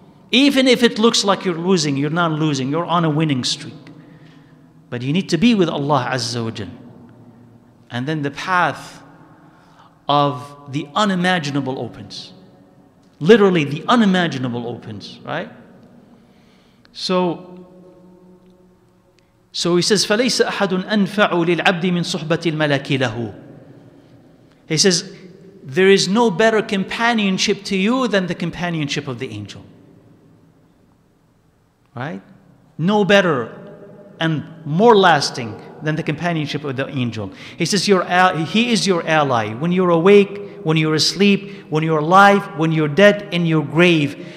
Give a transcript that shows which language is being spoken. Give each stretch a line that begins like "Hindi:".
English: Even if it looks like you're losing, you're not losing, you're on a winning streak. But you need to be with Allah Azza wa Jal. And then the path of the unimaginable opens. Literally, the unimaginable opens, right? So he says,
Arabic: فَلَيْسَ أَحَدٌ أَنْفَعُ لِلْعَبْدِ مِنْ صُحْبَةِ الْمَلَكِ لَهُ.
English: He says, there is no better companionship to you than the companionship of the angel. Right? No better and more lasting than the companionship of the angel. He says, he is your ally. When you're awake, when you're asleep, when you're alive, when you're dead, in your grave.